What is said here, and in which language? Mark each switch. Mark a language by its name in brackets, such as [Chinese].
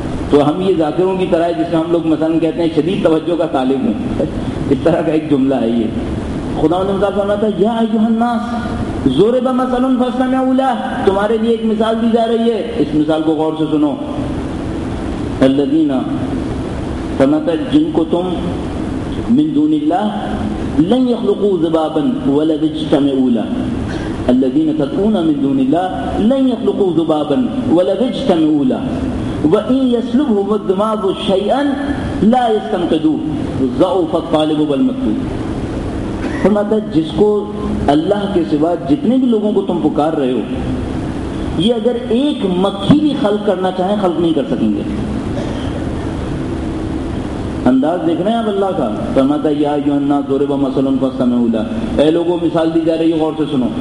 [Urdu] تو ہم یہ ذاکروں کی طرح ہے جس میں ہم لوگ مثلا کہتے ہیں شدید توجہ کا طالب ہوں, اس طرح کا ایک جملہ ہے یہ. خدا نے مثال فرمایا تھا [Arabic] یا ایھا الناس ضرب مثلا فاستمعوا لہ, [Urdu] تمہارے لیے ایک مثال دی جا رہی ہے اس مثال کو غور سے سنو. [Arabic] الذین, [Urdu] فرماتا ہے جن کو تم [Arabic] من دون اللہ لن يخلقوا ذبابا ولو اجتمعوا له, الذين تدعون من دون الله لن يخلقوا ذبابا ولو اجتمعوا له وان يسلبهم الذباب شيئا لا يستنقذوه ضعف الطالب والمطلوب. [Urdu] فرماتا ہے جس کو اللہ کے سوا جتنے بھی لوگوں کو تم پکار رہے ہو یہ اگر ایک مکھی بھی خلق کرنا چاہیں خلق نہیں کر سکیں گے. انداز دیکھ رہے ہیں آپ اللہ کا, فرماتا ہے [Arabic] یا ایھا الناس ضرب مثلا فاستمعوا لہ, [Urdu] اے لوگوں مثال دی جا رہی ہے غور سے سنو.